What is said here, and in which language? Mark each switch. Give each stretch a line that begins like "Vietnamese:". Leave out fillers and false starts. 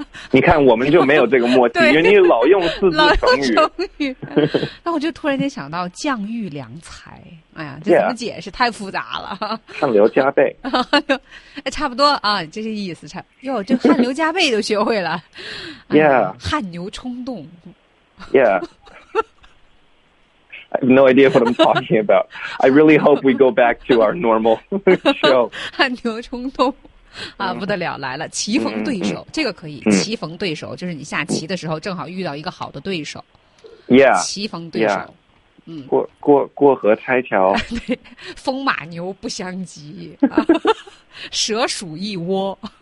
Chinese: 你看我们就没有这个默契，因为你老用四字成语。那我就突然间想到将遇良才，哎呀，这怎么解释？
English: Yeah.
Chinese: 太复杂了。汗流浃背。哎，差不多啊，这些意思差。哟，这汗流浃背都学会了。
English: yeah、
Chinese: 哎。汗牛充栋。
English: yeah。 I have no idea what I'm talking about. I really hope we go back to our normal show.
Chinese: 汗牛充栋啊，不得了，来了，棋逢对手，这个可以。棋逢对手就是你下棋的时候正好遇到一个好的对手。
English: Yeah.
Chinese: 棋逢对手。 Yeah. 过河拆桥。对，风马牛不相及，啊、蛇鼠一窝。